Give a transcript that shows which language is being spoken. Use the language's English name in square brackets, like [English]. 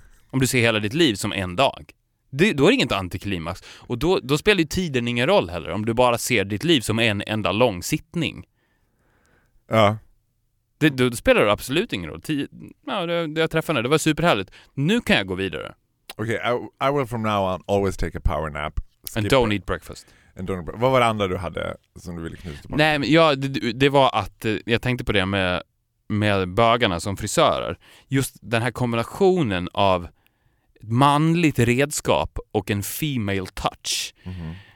[Swedish] Om du ser hela ditt liv som en dag. Då är det inget antiklimax. Och då spelar ju tiden ingen roll heller. Om du bara ser ditt liv som en enda lång sittning. Ja. Då spelar det absolut ingen roll. Jag träffade henne. Det var superhärligt. Nu kan jag gå vidare. [English] Okej, okay, I will from now on always take a power nap. And don't eat breakfast. [Swedish] Vad var det andra du hade som du ville knyta på? Nej, men ja, det var att jag tänkte på det med bögarna som frisörer. Just den här kombinationen av ett manligt redskap och en [English] female touch. [Swedish] Mm-hmm.